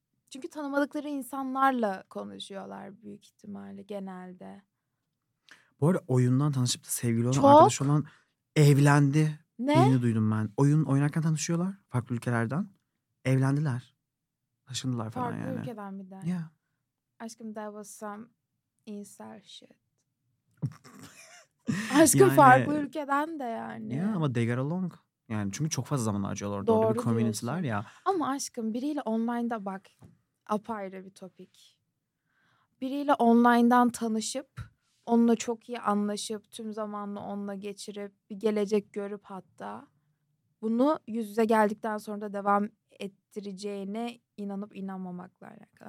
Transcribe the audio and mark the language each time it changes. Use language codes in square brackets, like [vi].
[tr] Çünkü tanımadıkları insanlarla konuşuyorlar büyük ihtimalle genelde. Bu arada oyundan tanışıp da sevgili olan arkadaş olan evlendi. Ne? Yeni duydum ben. Oyun oynarken tanışıyorlar farklı ülkelerden. Evlendiler. Taşındılar falan farklı yani. Farklı ülkeden bir de. [en] Yeah. Aşkım that was some incel shit. [tr] Aşkım yani, farklı ülkeden de yani. [en] Yeah, ama they get along. [tr] Yani çünkü çok fazla zaman harcıyorlar. Doğru orada bir community'ler ya. Ama aşkım biriyle online'da bak apayrı bir topik. Biriyle online'dan tanışıp onunla çok iyi anlaşıp tüm zamanını onunla geçirip bir gelecek görüp hatta bunu yüz yüze geldikten sonra da devam ettireceğine inanıp inanmamakla alakalı.